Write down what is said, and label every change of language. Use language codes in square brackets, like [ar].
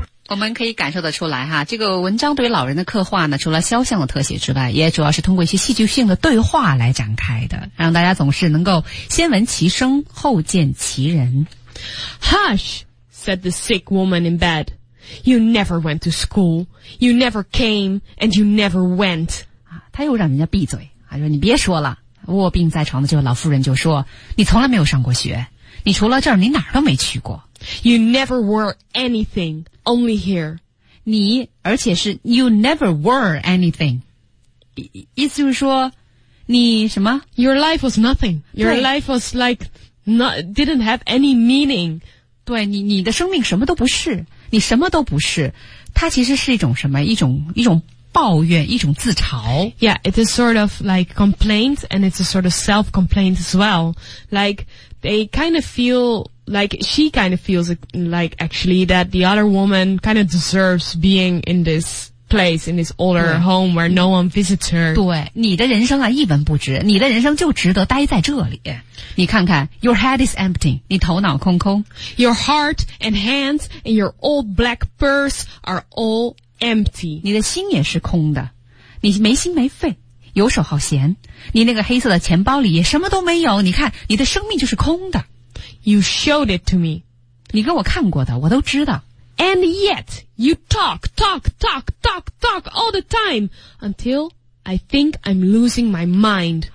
[zh] 我们可以感受得出来哈，这个文章对于老人的刻画呢，除了肖像的特写之外，也主要是通过一些戏剧性的对话来展开的，让大家总是能够先闻其声，后见其人。 [en] Hush, said the sick woman in bed. You never went to school. You never came, and you never went. [zh] 他又让人家闭嘴，他说你别说了。卧病在床的这位老妇人就说，你从来没有上过学，你除了这儿，你哪儿都没去过。 [en] You never were anything, only here. [zh] 你，而且是 [en] you never were anything. [zh] 意思就是说，你什么 [en] ？Your life was nothing. Your life was like not didn't have any meaning. [zh] 对你的生命什么都不是。你什么都不是，它其实是一种什么？一种抱怨，一种自嘲。 [en] Yeah, it is sort of like complaint, and it's a sort of self-complaint as well. Like, they kind of feel, like, she kind of feels like, actually, that the other woman kind of deserves being in this place, in this older home where no one visits her. [zh] 对，你的人生啊，一文不值，你的人生就值得待在这里。你看看 , [en] your head is empty, [zh] 你头脑空空。 [en] Your heart and hands and your old black purse are all empty. [zh] 你的心也是空的。你没心没肺游手好闲。你那个黑色的钱包里也什么都没有，你看你的生命就是空的。 [en] You showed it to me. [zh] 你给我看过的我都知道。 [en] And yet, you talk all the time until... I think I'm losing my mind.